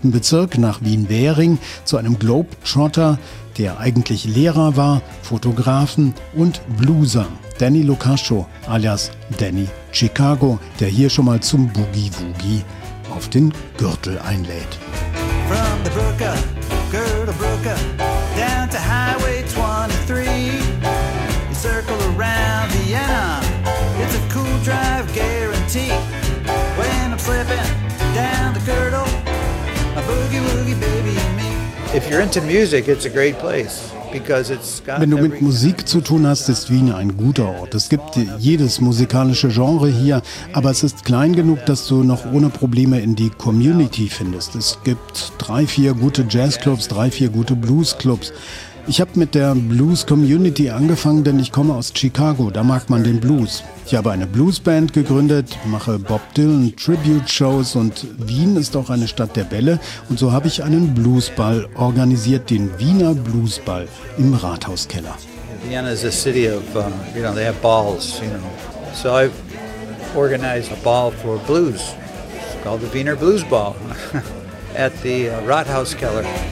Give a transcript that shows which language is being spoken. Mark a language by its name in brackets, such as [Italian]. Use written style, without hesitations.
[German] Bezirk nach Wien-Währing zu einem Globetrotter, der eigentlich Lehrer war, Fotografen und Blueser. Danny Locascio alias Danny Chicago, der hier schon mal zum Boogie-Woogie auf den Gürtel einlädt. [English] From the Brooker, Girdle Brooker, down to Highway 23. You circle around Vienna, it's a cool drive guarantee. When I'm slipping down the girdle, a boogie woogie baby and me. If you're into music, it's a great place. [German] Wenn du mit Musik zu tun hast, ist Wien ein guter Ort. Es gibt jedes musikalische Genre hier, aber es ist klein genug, dass du noch ohne Probleme in die Community findest. Es gibt 3-4 gute Jazzclubs, 3-4 gute Bluesclubs. Ich habe mit der Blues-Community angefangen, denn ich komme aus Chicago, da mag man den Blues. Ich habe eine Bluesband gegründet, mache Bob Dylan-Tribute-Shows und Wien ist auch eine Stadt der Bälle. Und so habe ich einen Bluesball organisiert, den Wiener Bluesball im Rathauskeller. [English] Vienna is a city of, you know, they have balls, you know. So I organized a ball for blues. It's called the Wiener Blues Ball at the Rathauskeller.